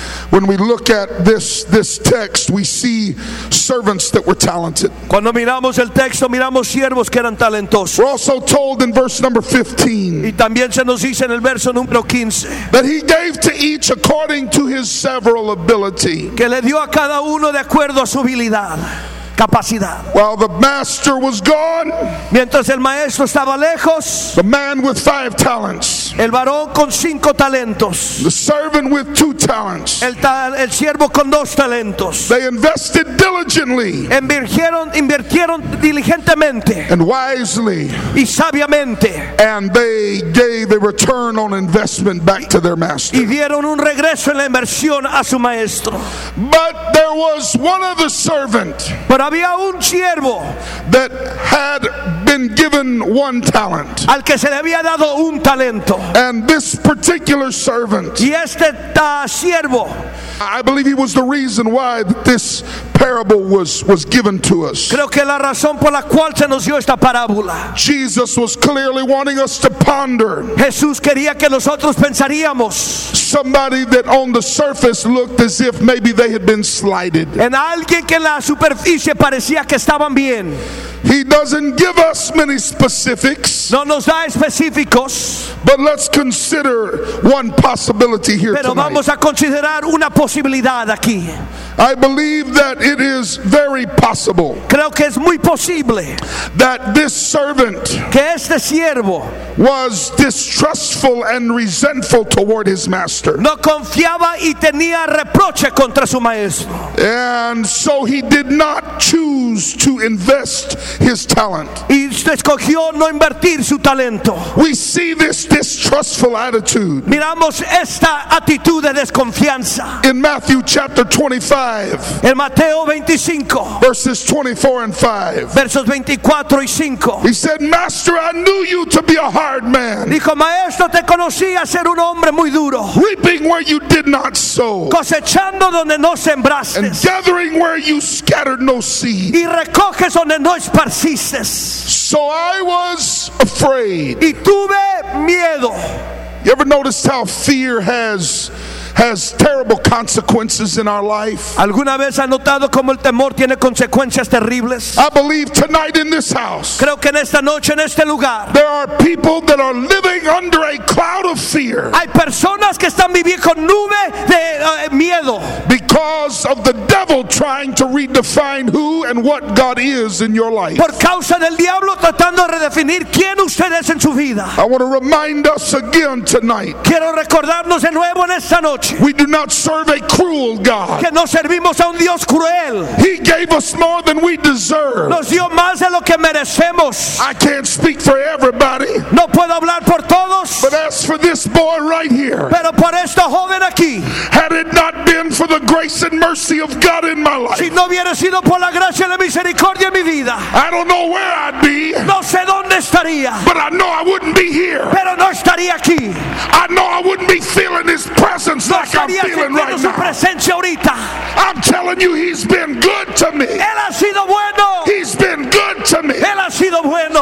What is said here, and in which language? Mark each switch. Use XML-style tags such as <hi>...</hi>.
<en>When we look at this text, we see servants that were talented.</en> <es>Cuando miramos el texto, miramos siervos que eran talentosos.</es> <en>We're also told in verse number 15.</en> <es>Y también se nos dice en el verso número 15.</es> <en>That he gave to each according to his several ability.</en> <es>Que le dio a cada uno de acuerdo a su habilidad. Capacidad.</es> <en>While the master was gone,</en> <es>mientras el maestro estaba lejos,</es> <en>the man with 5 talents,</en> <es>el varón con 5 talentos,</es> <en>the servant with 2 talents,</en> <es>el siervo con 2 talentos,</es> <en>they invested diligently,</en> <es>invirtieron diligentemente,</es> <en>and wisely,</en> <es>y sabiamente,</es> <en>and they gave a return on investment back to their master,</en> <es>y dieron un regreso en la inversión a su maestro.</es> <en>But there was one of the servant.</en> <es>Había un siervo</es> <en>that had been given 1 talent,</en> <es>al que se le había dado un talento,</es> <en>and this particular servant,</en> <es>y este siervo,</es> <en>I believe he was the reason why this parable was given to us.</en> <es>Creo que la razón por la cual se nos dio esta parábola.</es> <en>Jesus was clearly wanting us to ponder.</en> <es>Jesús quería que nosotros pensaríamos.</es> <en>Somebody that on the surface looked as if maybe they had been slighted.</en> <es>En alguien que en la superficie parecía que estaban bien.</es> <en>He doesn't give us many specifics.</en> <es>No nos da específicos.</es> <en>But let's consider one possibility here tonight.</en> <es>Pero vamos a considerar una posibilidad aquí.</es> <en>I believe that it is very possible.</en> <es>Creo que es muy posible.</es> <en>That this servant,</en> <es>que este siervo,</es> <en>was distrustful and resentful toward his master.</en> <es>No confiaba y tenía reproche contra su maestro.</es> <en>And so he did not choose to invest his talent.</en> <es>Y escogió no invertir su talento.</es> <en>We see this distrustful attitude.</en> <es>Miramos esta actitud de desconfianza.</es> <en>In Matthew chapter 25.</en> <es>En Mateo 25.</es> <en>Verses 24 and 5.</en> <es>Versos 24 y 5.</es> <en>He said, "Master, I knew you to be a hard man."</en> <es>Dijo, "Maestro, te conocí a ser un hombre muy duro."</es> <en>"Reaping where you did not sow."</en> <es>Cosechando donde no sembraste.</es> <en>"And gathering where you scattered no seed."</en> <es>Y recoges donde no esparciste.</es> <en>"So I was afraid."</en> <es>Y tuve miedo.</es> <en>You ever noticed how fear has terrible consequences in our life?</en> <es>¿Alguna vez ha notado cómo el temor tiene consecuencias terribles?</es> <en>I believe tonight in this house.</en> <es>Creo que en esta noche en este lugar.</es> <en>There are people that are living under a cloud of fear.</en> <es>Hay personas que están viviendo con nube de miedo.</es> <en>Because of the devil trying to redefine who and what God is in your life.</en> <es>Por causa del diablo tratando de redefinir quién usted es en su vida.</es> <en>I want to remind us again tonight.</en> <es>Quiero recordarnos de nuevo en esta noche.</es> <en>We do not serve a cruel God.</en> <es>Que no servimos a un Dios cruel.</es> <en>He gave us more than we deserve.</en> <es>Nos dio más de lo que merecemos.</es> <en>I can't speak for everybody.</en> <es>No puedo hablar por todos.</es> <en>But as for this boy right here.</en> <es>Pero por este joven aquí.</es> <en>Had it not been for the grace and mercy of God in my life.</en> <es>Si no hubiera sido por la gracia y la misericordia en mi vida.</es> <en>I don't know where I'd be.</en> <es>No sé dónde estaría.</es> <en>But I know I wouldn't be here.</en> <es>Pero no estaría aquí.</es> <en>I know I wouldn't be feeling His presence. Like I'm feeling right now. I'm telling you, He's been good to me.</en> <es>Él ha sido bueno.</es> <en>He's been good to me.</en> <es>Él ha sido bueno.</es>